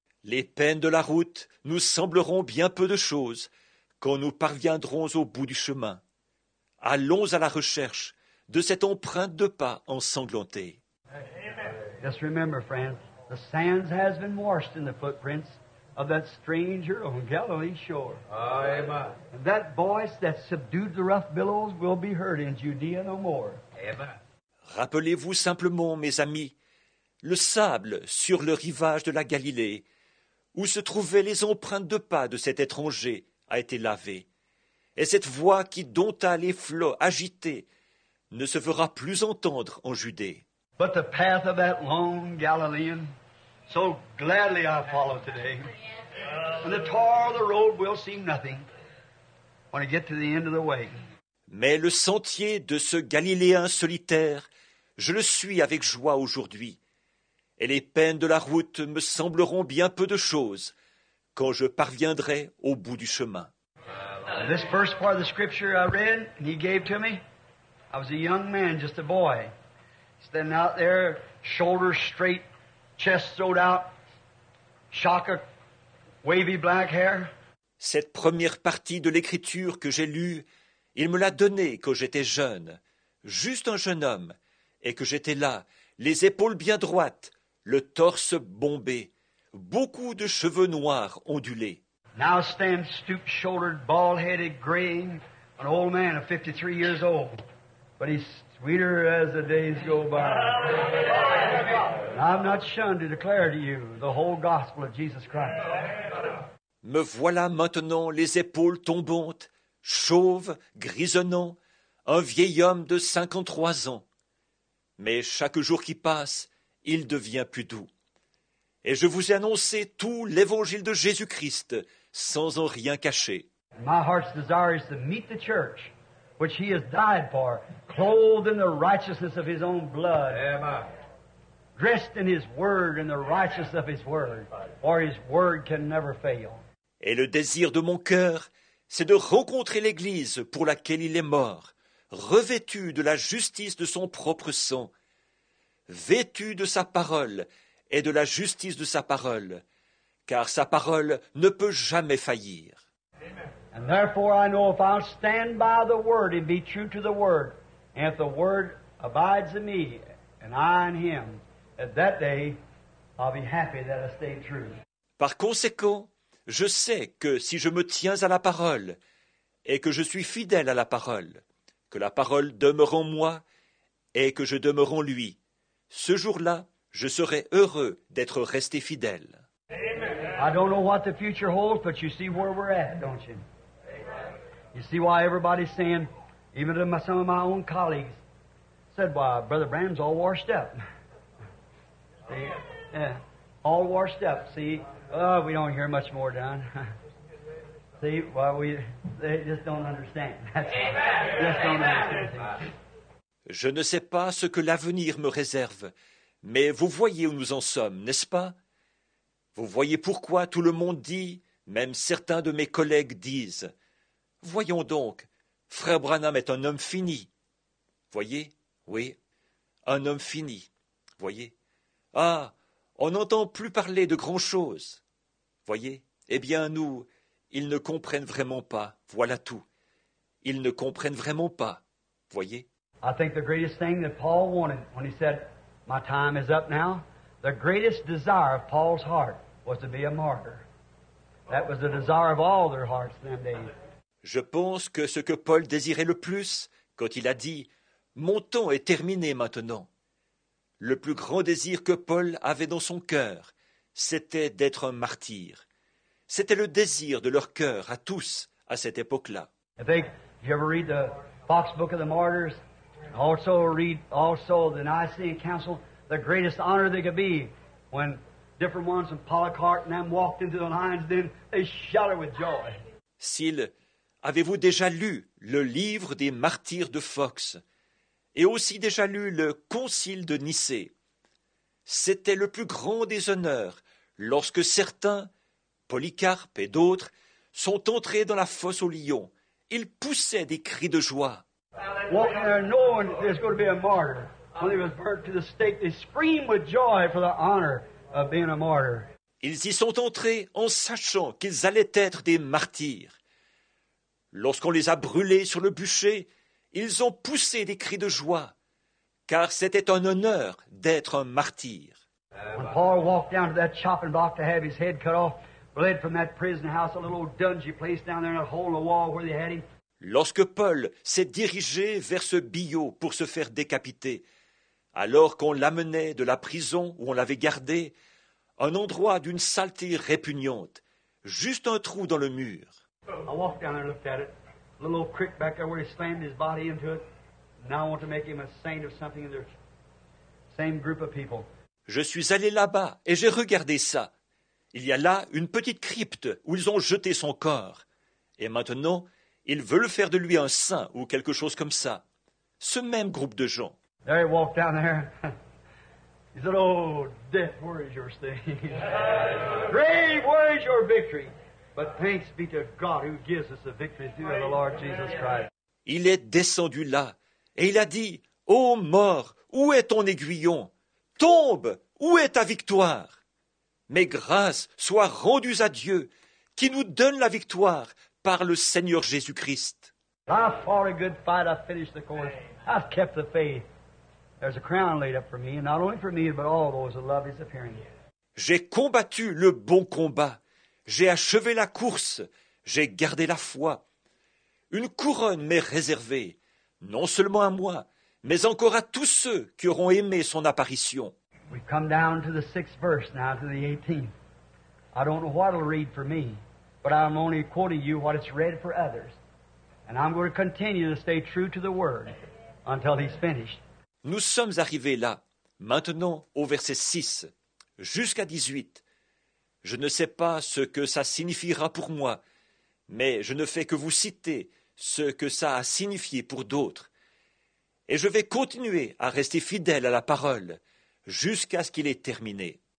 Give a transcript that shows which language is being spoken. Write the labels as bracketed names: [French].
[French] Les peines de la route nous sembleront bien peu de choses quand nous parviendrons au bout du chemin. Allons à la recherche de cette empreinte de pas ensanglantée. [English] Just remember, friends, the sands has been washed in the footprints of that stranger on Galilee's shore. Amen. And that voice that subdued the rough billows will be heard in Judea no more. Amen. [French] Rappelez-vous simplement, mes amis, le sable sur le rivage de la Galilée, où se trouvaient les empreintes de pas de cet étranger, a été lavé. Et cette voix qui dompta les flots agités ne se fera plus entendre en Judée. [English] But the path of that lone Galilean, so gladly I follow today. And the tar of the road will seem nothing when I get to the end of the way. [French] Mais le sentier de ce Galiléen solitaire, je le suis avec joie aujourd'hui. Et les peines de la route me sembleront bien peu de choses quand je parviendrai au bout du chemin. [English] This first part of the scripture I read, and he gave to me. I was a young man, just a boy. Standing out there, shoulders straight, chest throat out, shock of wavy black hair. [French] Cette première partie de l'écriture que j'ai lue, il me l'a donnée quand j'étais jeune, juste un jeune homme, et que j'étais là, les épaules bien droites, le torse bombé, beaucoup de cheveux noirs ondulés. [English] Now stand stoop-shouldered, bald-headed, graying, an old man of 53 years old, but he's sweeter as the days go by. And I've not shunned to declare to you the whole gospel of Jesus Christ. [French] Me voilà maintenant les épaules tombantes, chauve, grisonnant, un vieil homme de 53 ans. Mais chaque jour qui passe, il devient plus doux. Et je vous ai annoncé tout l'évangile de Jésus-Christ, sans en rien cacher. [English] My heart's desire is to meet the church, which he has died for, clothed in the righteousness of his own blood. Amen. Dressed in his word and the righteousness of his word, for his word can never fail. [French] Et le désir de mon cœur, c'est de rencontrer l'Église pour laquelle il est mort, revêtu de la justice de son propre sang, vêtu de sa parole et de la justice de sa parole, car sa parole ne peut jamais faillir. [English] And therefore I know if I'll stand by the word and be true to the word, and if the word abides in me and I in him, at that day I'll be happy that I stayed true. [French] Par conséquent, je sais que si je me tiens à la parole et que je suis fidèle à la parole, que la parole demeure en moi et que je demeure en lui, ce jour-là, je serai heureux d'être resté fidèle. [English] I don't know what the future holds, but you see where we're at, don't you? You see why everybody's saying, even some of my own colleagues said, well, Brother Branham's all washed up. See? Yeah. All washed up, see? Oh, we don't hear much more done. See? Well, they just don't understand. Just don't understand. [French] Je ne sais pas ce que l'avenir me réserve, mais vous voyez où nous en sommes, n'est-ce pas? Vous voyez pourquoi tout le monde dit, même certains de mes collègues disent, « Voyons donc, frère Branham est un homme fini. » Voyez, oui, un homme fini, voyez. « Ah, on n'entend plus parler de grand-chose. » Voyez, eh bien nous, ils ne comprennent vraiment pas, voilà tout. Ils ne comprennent vraiment pas, voyez. [English] I think the greatest thing that Paul wanted when he said, my time is up now, the greatest desire of Paul's heart was to be a martyr. That was the desire of all their hearts in them days. [French] Je pense que ce que Paul désirait le plus, quand il a dit « Mon temps est terminé maintenant », le plus grand désir que Paul avait dans son cœur, c'était d'être un martyr. C'était le désir de leur cœur à tous à cette époque-là. [English] Have you ever read the Fox Book of the Martyrs? Also read also the Nicene Council, the greatest honor they could be when different ones from Polycarp and them walked into the lions, then they shouted with joy. [French] S'il avez-vous déjà lu le livre des martyrs de Fox et aussi déjà lu le Concile de Nicée? C'était le plus grand des honneurs lorsque certains, Polycarpe et d'autres, sont entrés dans la fosse aux lions. Ils poussaient des cris de joie. [English] Walking there knowing that there's going to be a martyr. When he was burnt to the stake, they screamed with joy for the honor of being a martyr. [French] Ils y sont entrés en sachant qu'ils allaient être des martyrs. Lorsqu'on les a brûlés sur le bûcher, ils ont poussé des cris de joie, car c'était un honneur d'être un martyr. [English] When Paul walked down to that chopping block to have his head cut off, led from that prison house, a little old dungeon place down there in a hole in the wall where they had him. [French] Lorsque Paul s'est dirigé vers ce billot pour se faire décapiter, alors qu'on l'amenait de la prison où on l'avait gardé, un endroit d'une saleté répugnante, juste un trou dans le mur. [English] I walked down there and looked at it. A little old creek back there where he slammed his body into it. Now I want to make him a saint of something in the same group of people. [French] Je suis allé là-bas et j'ai regardé ça. Il y a là une petite crypte où ils ont jeté son corps. Et maintenant, ils veulent faire de lui un saint ou quelque chose comme ça. Ce même groupe de gens. [English] There he walked down there. He said, oh, death, where is your sting? Grave, where is your victory? But thanks be to God who gives us the victory through the Lord Jesus Christ. [French] Il est descendu là et il a dit, ô mort, où est ton aiguillon? Tombe, où est ta victoire? Mais grâce soit rendue à Dieu qui nous donne la victoire par le Seigneur Jésus-Christ. [English] I fought a good fight, I finished the course, I've kept the faith. There's a crown laid up for me, and not only for me, but all those that love his appearing. [French] J'ai combattu le bon combat. J'ai achevé la course. J'ai gardé la foi. Une couronne m'est réservée, non seulement à moi, mais encore à tous ceux qui auront aimé son apparition. [English] We've come down to the sixth verse now, to the 18th. I don't know what it'll read for me, but I'm only quoting you what it's read for others. And I'm going to continue to stay true to the word until he's finished. [French] Nous sommes arrivés là, maintenant au verset 6, jusqu'à 18. Je ne sais pas ce que ça signifiera pour moi, mais je ne fais que vous citer ce que ça a signifié pour d'autres. Et je vais continuer à rester fidèle à la parole, jusqu'à ce qu'il ait terminé.